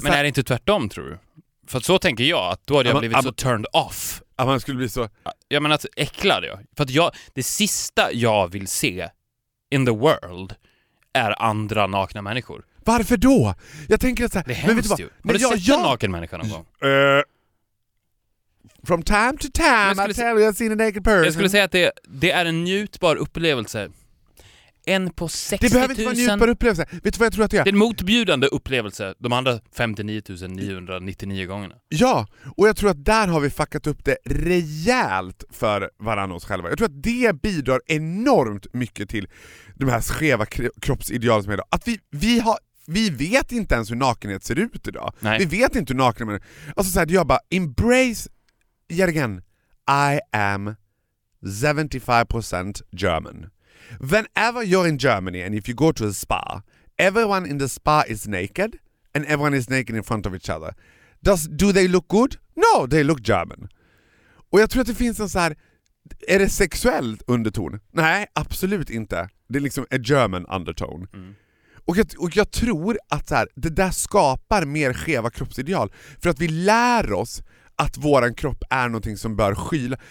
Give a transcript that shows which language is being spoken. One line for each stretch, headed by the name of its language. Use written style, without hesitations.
Swedish: men är det inte tvärtom, tror du? För så tänker jag, att då hade jag blivit så
English: turned off.
Swedish: Att man skulle bli så... Ja, men alltså, äcklad jag. För att jag, det sista jag vill se
English: in the world
Swedish: är andra nakna människor. Varför då? Jag tänker att så här, det är hemskt, men vet du vad? Har du sett en naken människa någon gång?
English: From time to time, I tell you, I've seen a naked person.
Swedish: Jag skulle säga att det är en njutbar upplevelse. En på 60 000. Det behöver inte vara en njutbar upplevelse. Vet du vad jag tror att det är? Det är en motbjudande upplevelse de andra 59 999 gångerna. Ja, och jag tror att där har vi fuckat upp det rejält för varandra oss själva. Jag tror att det bidrar enormt mycket till de här skeva kroppsidealen som är idag. Att vi vet inte ens hur nakenhet ser ut idag. Nej. Vi vet inte hur naken är. Alltså så här, jag bara, embrace...
English: Jörgen, I am 75% German. Whenever you're in Germany and if you go to a spa, everyone in the spa is naked and everyone is naked in front of each other. Do they look good? No, they look German.
Swedish: Och jag tror att det finns en så här, är det sexuellt underton? Nej, absolut inte. Det är liksom
English: a German undertone.
Swedish: Mm. Och jag tror att så här, det där skapar mer skeva kroppsideal. För att vi lär oss att våran kropp är någonting som bör skyla.